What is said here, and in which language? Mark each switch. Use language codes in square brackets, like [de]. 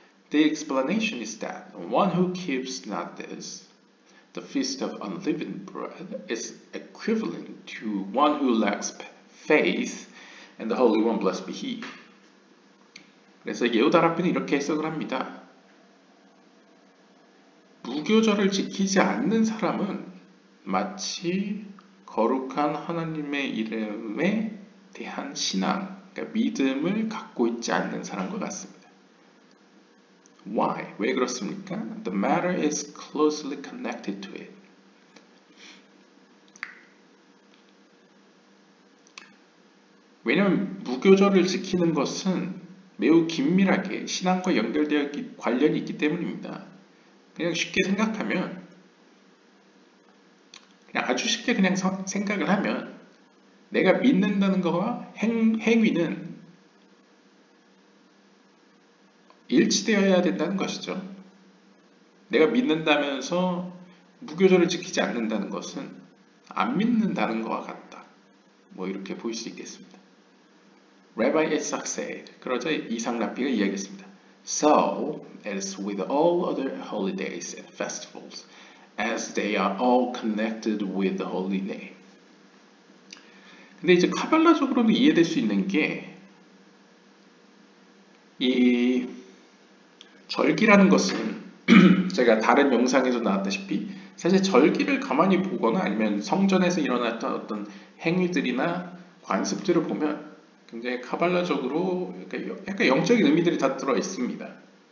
[en] The explanation is that one who keeps not this, the feast of unleavened bread, is equivalent to one who lacks faith, and the Holy One blessed be He. [ko] 그래서 예후다 랍비는 이렇게 해석을 합니다. 구교절을 지키지 않는 사람은 마치 거룩한 하나님의 이름에 대한 신앙, 그러니까 믿음을 갖고 있지 않는 사람과 같습니다. [en] Why? [ko] 왜 그렇습니까? [en] The matter is closely connected to it. [ko] 왜냐하면 무교절을 지키는 것은 매우 긴밀하게 신앙과 연결되어 관련이 있기 때문입니다. 그냥 쉽게 생각하면, 그냥 아주 쉽게 그냥 생각을 하면, 내가 믿는다는 것과 행위는 일치되어야 된다는 것이죠. 내가 믿는다면서 무교절을 지키지 않는다는 것은 안 믿는다는 것과 같다. 뭐 이렇게 볼 수 있겠습니다. [en] Rabbi Isaac said, [ko] 그러자 이삭랍비가 이야기했습니다. [en] So, as with all other holidays and festivals, as they are all connected with the holy name. [ko] 근데 이제 카발라적으로는 이해될 수 있는 게 이 절기라는 것은 제가 다른 영상에서 나왔다시피 사실 절기를 가만히 보거나 아니면 성전에서 일어났던 어떤 행위들이나 관습들을 보면 굉장히 카발라적으로 약간 영적인 의미들이 다 들어있습니다.